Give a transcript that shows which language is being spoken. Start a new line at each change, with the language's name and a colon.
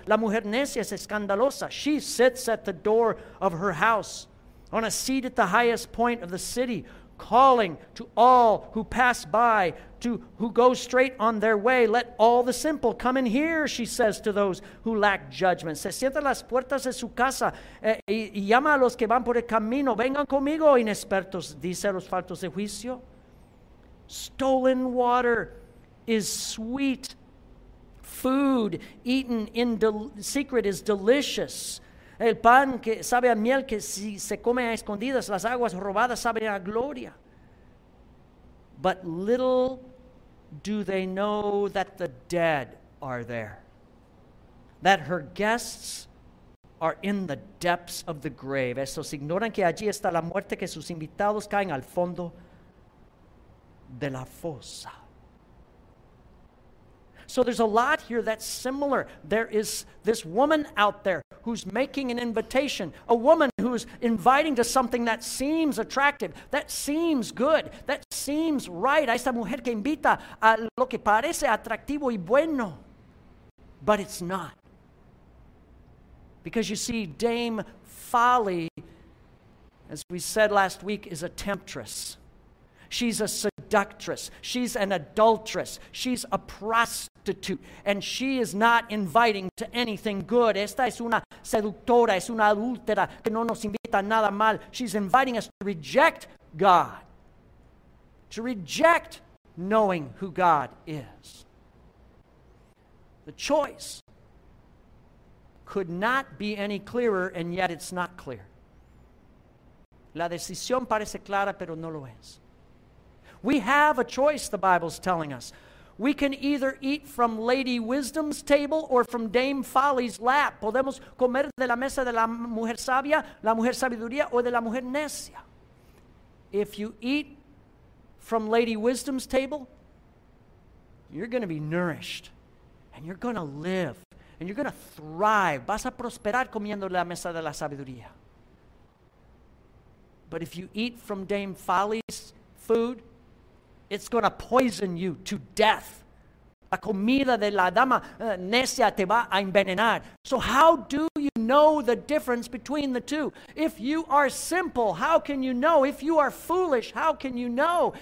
Spanish: La mujer necia es escandalosa.
English: She sits at the door of her house, on a seat at the highest point of the city, calling to all who pass by, to who go straight on their way. Let all the simple come in here, she says to those who lack judgment.
Spanish: Se sienta a las puertas de su casa y llama a los que van por el camino. Vengan conmigo, inexpertos, dice los faltos de juicio.
English: Stolen water is sweet. Food eaten in secret is delicious.
Spanish: El pan que sabe a miel que si se come a escondidas, las aguas robadas saben a gloria.
English: But little do they know that the dead are there, that her guests are in the depths of the grave.
Spanish: Estos ignoran que allí está la muerte, que sus invitados caen al fondo de la fosa.
English: So there's a lot here that's similar. There is this woman out there who's making an invitation, a woman who's inviting to something that seems attractive, that seems good, that seems right.
Spanish: Esta mujer que invita a lo que parece atractivo y bueno,
English: but it's not. Because you see, Dame Folly, as we said last week, is a temptress. She's a seductress. She's an adulteress. She's a prostitute. And she is not inviting to anything good.
Spanish: Esta es una seductora, es una adúltera que no nos invita a nada mal.
English: She's inviting us to reject God, to reject knowing who God is. The choice could not be any clearer, and yet it's not clear.
Spanish: La decisión parece clara, pero no lo es.
English: We have a choice, the Bible's telling us. We can either eat from Lady Wisdom's table or from Dame Folly's lap.
Spanish: Podemos comer de la mesa de la mujer sabia, la mujer sabiduría, o de la mujer necia.
English: If you eat from Lady Wisdom's table, you're going to be nourished, and you're going to live, and you're going to thrive.
Spanish: Vas a prosperar comiendo la mesa de la sabiduría.
English: But if you eat from Dame Folly's food, it's going to poison you to death.
Spanish: La comida de la dama necia te va a envenenar.
English: So how do you know the difference between the two? If you are simple, how can you know? If you are foolish, how can you know?